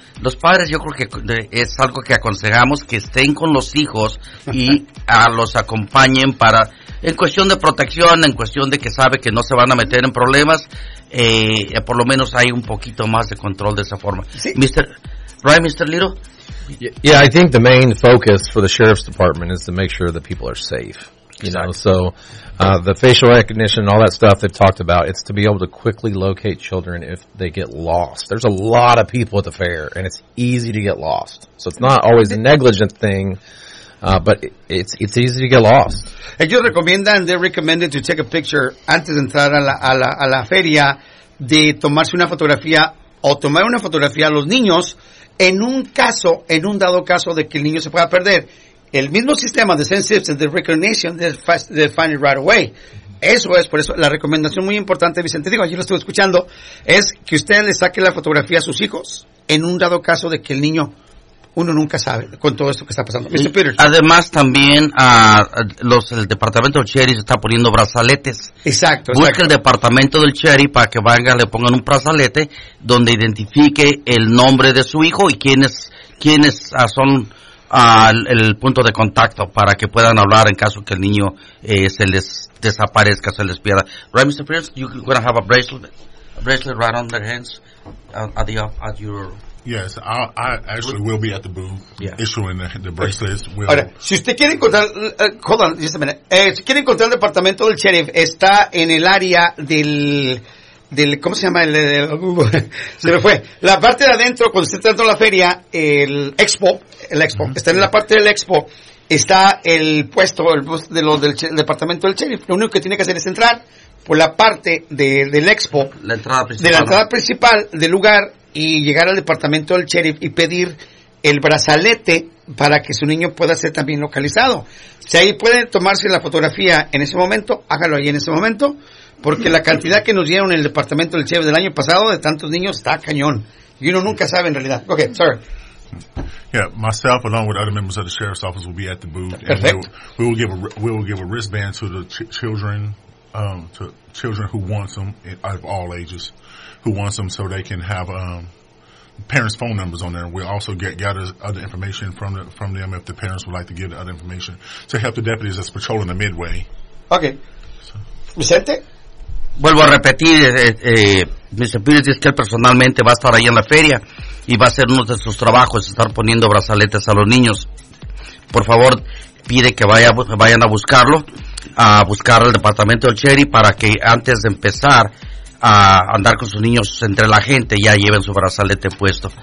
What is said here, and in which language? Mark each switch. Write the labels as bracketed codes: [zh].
[es] Los padres, yo creo que es algo que aconsejamos, que estén con los hijos y a los acompañen para, en cuestión de protección, en cuestión de que sabe que no se van a meter en problemas, por lo menos hay un poquito más de control de esa forma. Sí. [en] Mr. Little? Yeah, I think the main focus for the Sheriff's Department is to make sure that people are safe. You know, so the facial recognition and all that stuff they've talked about, it's to be able to quickly locate children if they get lost. There's a lot of people at the fair, and it's easy to get lost. So it's not always a negligent thing, but it's easy to get lost. [es] Ellos recomiendan, [en] they recommended to take a picture [es] antes de entrar a la feria, de tomarse una fotografía o tomar una fotografía a los niños en un dado caso de que el niño se pueda perder. El mismo sistema de sensibles [en] and the recognition they find it right away. [es] Eso es, por eso, la recomendación muy importante, Vicente, digo, yo lo estoy escuchando, es que usted le saque la fotografía a sus hijos en un dado caso de que el niño, uno nunca sabe con todo esto que está pasando. [en] Mr. Peters. [es] Además, también el departamento del sheriff está poniendo brazaletes. Exacto. Busque el departamento del sheriff para que venga, le pongan un brazalete donde identifique el nombre de su hijo y quiénes son el punto de contacto para que puedan hablar en caso que el niño se les desaparezca, se les pierda. [en] Right, Mr. Prince, you're going to have a bracelet right on their hands at your... Yes, I actually will be at the booth issuing the bracelets. [es] Ahora, si usted quiere encontrar... [en] hold on just a minute. [es] Si quiere encontrar el departamento del sheriff, está en el área del ¿cómo se llama? Se me fue. La parte de adentro, cuando usted está dentro de la feria, el expo, uh-huh. Está en la parte del expo, está el puesto del departamento del sheriff. Lo único que tiene que hacer es entrar por la parte del expo, la entrada principal del lugar, y llegar al departamento del sheriff y pedir el brazalete para que su niño pueda ser también localizado. Si ahí puede tomarse la fotografía en ese momento, hágalo ahí en ese momento, porque la cantidad que nos dieron en el departamento del sheriff del año pasado de tantos niños está cañón. Y uno nunca sabe en realidad. [en] Okay, sorry. Yeah, myself along with other members of the sheriff's office will be at the booth. Perfect. And we will give a wristband to the children who want them, out of all ages, who want them, so they can have parents' phone numbers on there. We'll also gather other information from them if the parents would like to give the other information to help the deputies that's patrolling the midway. Okay. Vicente. [es] Vuelvo a repetir, Mr. Peters, es que él personalmente va a estar ahí en la feria y va a hacer uno de sus trabajos, estar poniendo brazaletes a los niños. Por favor, pide que vayan a buscarlo, a buscar al departamento del sheriff para que antes de empezar a andar con sus niños entre la gente ya lleven su brazalete puesto.